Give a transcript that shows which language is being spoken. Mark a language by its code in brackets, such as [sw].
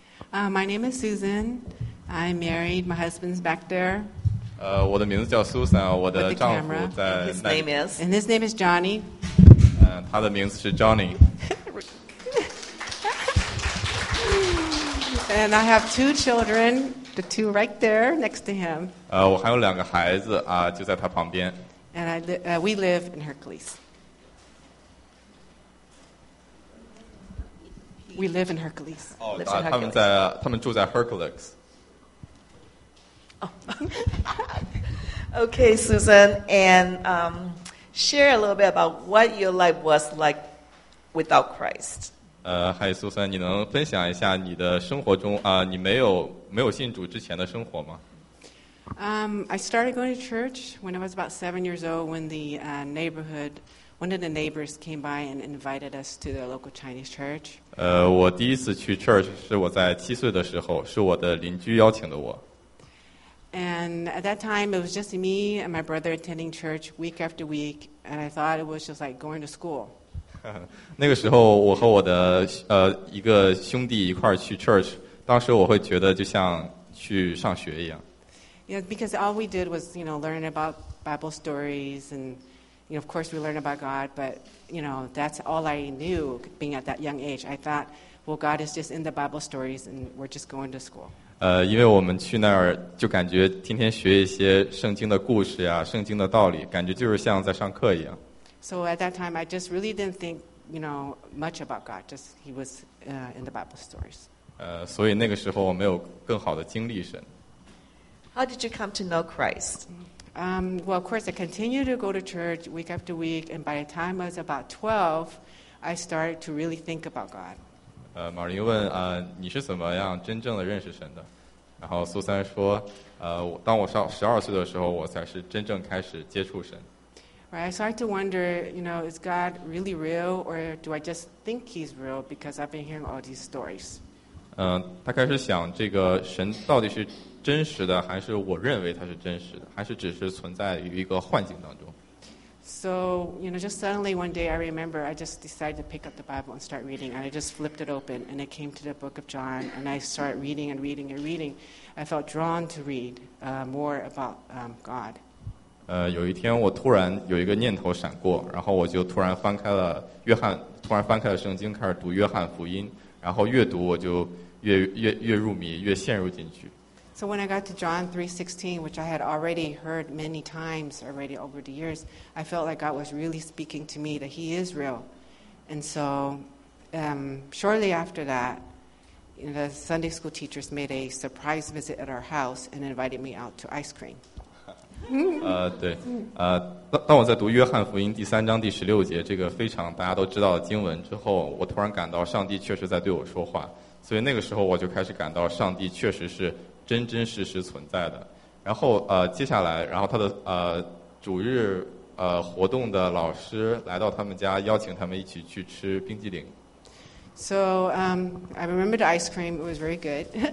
[en] My name is Susan. I'm married. My husband's back there. [zh] 我的名字叫 Susan, 我的丈夫在那。 [en] And his name is? And his name is Johnny. [zh] 他的名字是 Johnny. [en] And I have two children, the two right there next to him. [zh] 我还有两个孩子啊，就在他旁边。 [en] And we live in Hercules. We live in Hercules. Oh, God, [zh] 他们在他们住在 Hercules. Oh. [en] Okay, Susan, and share a little bit about what your life was like without Christ. Hi, [zh] Susan, 你能分享一下你的生活中啊，你没有信主之前的生活吗？ [en] I started going to church when I was about 7 years old when the neighborhood, one of the neighbors came by and invited us to the local Chinese church. [zh] 我第一次去 church 是我在七岁的时候，是我的邻居邀请的我。 [en] And at that time, it was just me and my brother attending church week after week, and I thought it was just like going to school. [zh] 那个时候，我和我的一个兄弟一块儿去 church， 当时我会觉得就像去上学一样。 [en] Yeah, because all we did was, you know, learn about Bible stories, and you know, of course, we learn about God. But you know, that's all I knew. Being at that young age, I thought, well, God is just in the Bible stories, and we're just going to school. [zh] 因为我们去那儿就感觉天天学一些圣经的故事呀，圣经的道理，感觉就是像在上课一样。 [en] So at that time, I just really didn't think, you know, much about God. Just He was in the Bible stories. [zh] 所以那个时候我没有更好的经历神。 [en] How did you come to know Christ? Well, of course, I continued to go to church week after week, and by the time I was about 12, I started to really think about God. [zh] 马林问你是怎么样真正的认识神的？然后苏三说，当我上十二岁的时候，我才是真正开始接触神。 [en] Right, I started to wonder, you know, is God really real, or do I just think He's real because I've been hearing all these stories? [zh] 他开始想这个神到底是。真实的还是我认为它是真实的还是只是存在于一个幻境当中 [en] So, you know, just suddenly one day I remember I just decided to pick up the Bible and start reading and I just flipped it open and it came to the book of John and I started reading and reading and reading I felt drawn to read more about God [zh] 有一天我突然有一个念头闪过然后我就突然翻开了约翰突然翻开了圣经开始读约翰福音然后越读我就 越入迷越陷入进去 [en] So when I got to John 3:16, which I had already heard many times already over the years, I felt like God was really speaking to me that He is real. And so shortly after that, you know, the Sunday school teachers made a surprise visit at our house and invited me out to ice cream. [zh] 对，当我在读约翰福音第三章第十六节这个非常大家都知道的经文之后，我突然感到上帝确实在对我说话。所以那个时候我就开始感到上帝确实是。真真实实存在的然后接下来然后他的主日活动的老师来到他们家邀请他们一起去吃冰激凌 [en] So I remember the ice cream it was very good